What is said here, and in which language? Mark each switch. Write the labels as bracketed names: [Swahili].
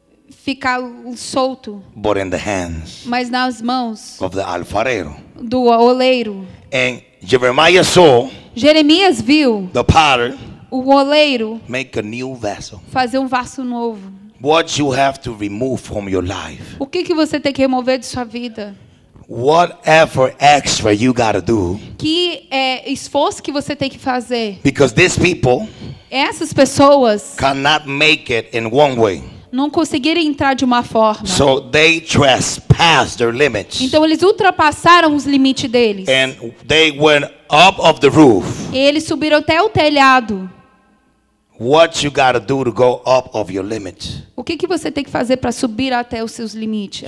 [Portuguese] Ficar solto. [English] But in the hands. [Portuguese] Mas nas mãos. [English] Of the alfarero. [Portuguese] Do oleiro. [English] And Jeremiah saw. [Portuguese] Jeremias viu. [English] The potter. [Portuguese] O oleiro. [English] Make a new vessel. [Portuguese] Fazer vaso novo. [English] What you have to remove from your life. [Portuguese] O que você tem que remover de sua vida? [English] Whatever extra you gotta do. [Portuguese] Que esforço que você tem que fazer? [English] Because these people. [Portuguese] Essas pessoas. [English] Cannot make it in one way. [Portuguese] Não conseguiram entrar de uma forma. [English] So they trespassed their limits. [Portuguese] Então eles ultrapassaram os limites deles. [English] And they went up of the roof. [Portuguese] E eles subiram até o telhado. [English] What you gotta do to go up of your limits? [Portuguese] O que você tem que fazer para subir até os seus limites?